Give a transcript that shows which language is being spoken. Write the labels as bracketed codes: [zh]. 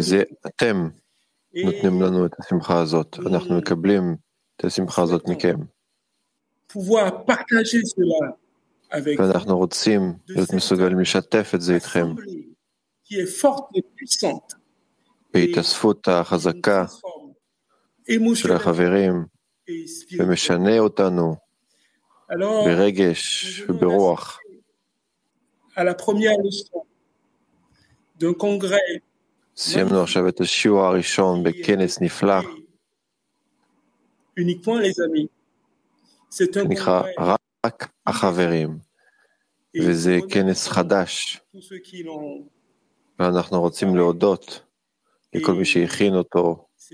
[he] זה אתם נותנים לנו את השמחה הזאת. אנחנו מקבלים את השמחה הזאת מכם. [fr] Pouvoir partager cela avec vous. [he] אנחנו רוצים להיות מסוגלים לשתף את זה איתכם. [fr] Qui est forte et puissante. [he] בהתאספות החזקה של החברים, ומשנה אותנו ברגש וברוח. [fr] À la première leçon d'un congrès. [he] סיימנו עכשיו את השיעור הראשון בכנס נפלא. [fr] Uniquement les amis. C'est un [he] נקרא רק החברים. וזה כנס חדש. ואנחנו רוצים להודות לכל מי שהכין אותו.